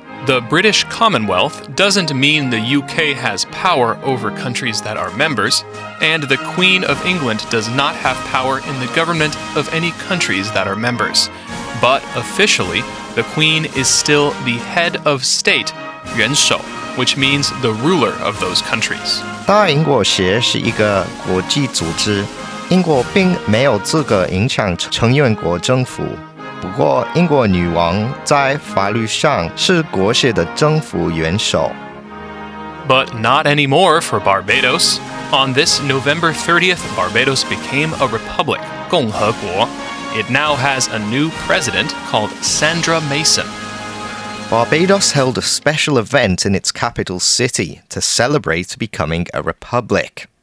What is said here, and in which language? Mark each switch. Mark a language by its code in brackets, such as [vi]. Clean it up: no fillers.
[en] The British Commonwealth doesn't mean the UK has power over countries that are members, and the Queen of England does not have power in the government of any countries that are members. But officially,The Queen is still the head of state, [zh] 元首, [en] which means the ruler of those countries. [zh] 大英国协是一个国际组织，英国并没有资格影响成员国政府。不过，英国女王在法律上是国协的政府元首。 [en] But not anymore for Barbados. On this November 30th, Barbados became a republic, [zh] 共和国。 [en] It now has a new president called Sandra Mason. Barbados held a special event in its capital city to celebrate becoming a republic.